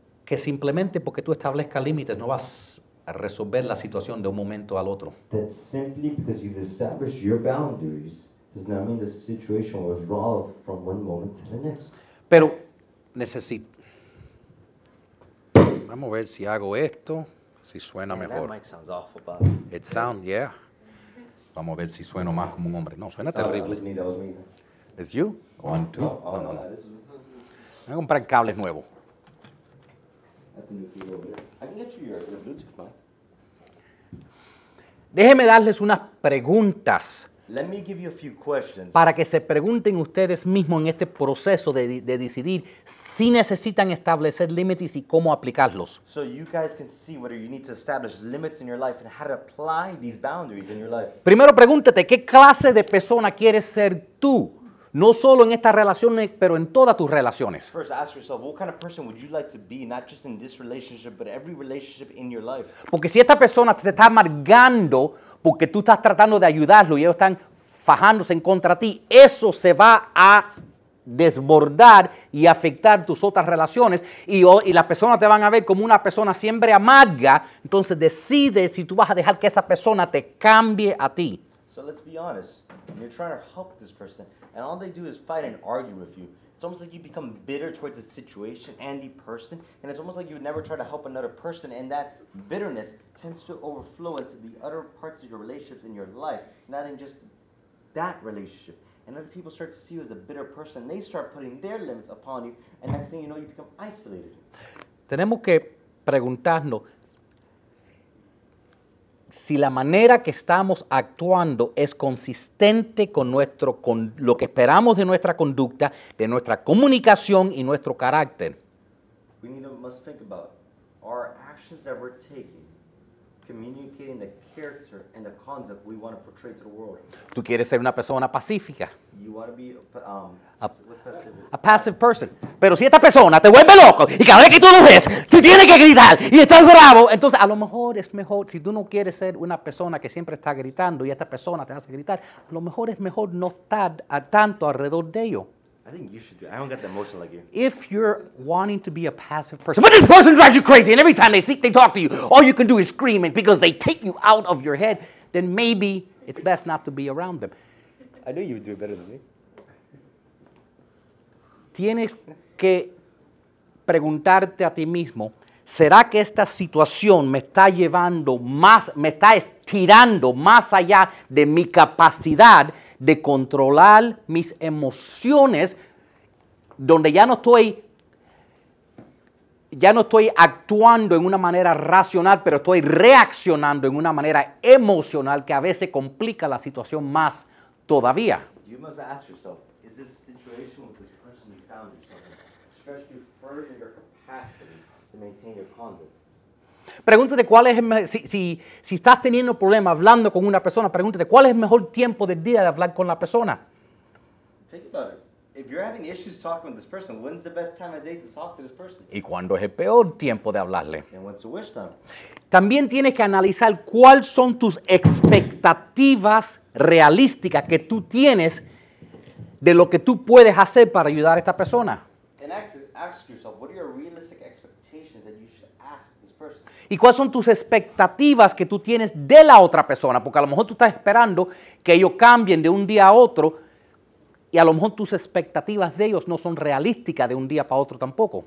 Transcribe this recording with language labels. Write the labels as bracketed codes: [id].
[es] Que simplemente porque tú establezcas límites no vas a resolver la situación de un momento al otro. [en] That simply because you've established your boundaries does not mean the situation will resolve from one moment to the next. [es] Pero necesito. Vamos a ver si hago esto, si suena [en] Man, [es] mejor. [en] That mic sounds awful, Bob. It sounds, yeah. [es] Vamos a ver si sueno más como un hombre. No, suena terrible. [en] That was me, that was me. It's you? One, two? No. [es] Voy a comprar cables nuevos. [en] That's a new key over there. I can get you your Bluetooth mic. [es] Déjeme darles unas preguntas. [en] Let me give you a few questions. [es] Para que se pregunten ustedes mismos en este proceso de decidir si necesitan establecer límites y cómo aplicarlos. [en] So you guys can see whether you need to establish limits in your life and how to apply these boundaries in your life. [es] Primero pregúntate, ¿qué clase de persona quieres ser tú? No solo en estas relaciones, pero en todas tus relaciones. [en] First, ask yourself, what kind of person would you like to be, not just in this relationship, but every relationship in your life? [es] Porque si esta persona te está amargando porque tú estás tratando de ayudarlo y ellos están fajándose en contra de ti, eso se va a desbordar y afectar tus otras relaciones y las personas te van a ver como una persona siempre amarga. Entonces, decide si tú vas a dejar que esa persona te cambie a ti. [en] So, let's be honest. You're trying to help this person, and all they do is fight and argue with you. It's almost like you become bitter towards the situation and the person, and it's almost like you would never try to help another person, and that bitterness tends to overflow into the other parts of your relationships in your life, not in just that relationship. And other people start to see you as a bitter person, and they start putting their limits upon you, and next thing you know, you become isolated. [es] Tenemos que preguntarnos si la manera que estamos actuando es consistente con nuestro con lo que esperamos de nuestra conducta, de nuestra comunicación y nuestro carácter. [en] We need to must think about our actions that we're taking, communicating the character and the concept we want to portray to the world. [es] Tú quieres ser una persona pacífica. [en] You want to be a passive person. [es] Pero si esta persona te vuelve loco y cada vez que tú lo ves, tú tienes que gritar y estás bravo, entonces a lo mejor es mejor, si tú no quieres ser una persona que siempre está gritando y esta persona te hace gritar, a lo mejor es mejor no estar tanto alrededor de ello. [en] I think you should do it. I don't get the emotion like you. If you're wanting to be a passive person, but this person drives you crazy and every time they speak, they talk to you, all you can do is scream and because they take you out of your head, then maybe it's best not to be around them. I knew you would do it better than me. [es] Tienes que preguntarte a ti mismo, ¿será que esta situación me está llevando más, me está estirando más allá de mi capacidad de controlar mis emociones, donde ya no estoy actuando en una manera racional, pero estoy reaccionando en una manera emocional que a veces complica la situación más todavía? [en] You must ask yourself, is this situation with this person you found yourself in stretched you further your capacity to maintain your conduct? [es] Pregúntate cuál es, si estás teniendo problemas hablando con una persona, pregúntate cuál es el mejor tiempo del día de hablar con la persona. [en] Think about it. If you're having issues talking with this person, when's the best time of day to talk to this person? [es] ¿Y cuándo es el peor tiempo de hablarle? [en] And what's the worst time? [es] También tienes que analizar cuáles son tus expectativas realísticas que tú tienes de lo que tú puedes hacer para ayudar a esta persona. [en] And ask yourself, what are your realistic expectations that you should ask this person? [es] ¿Y cuáles son tus expectativas que tú tienes de la otra persona? Porque a lo mejor tú estás esperando que ellos cambien de un día a otro y a lo mejor tus expectativas de ellos no son realísticas de un día para otro tampoco.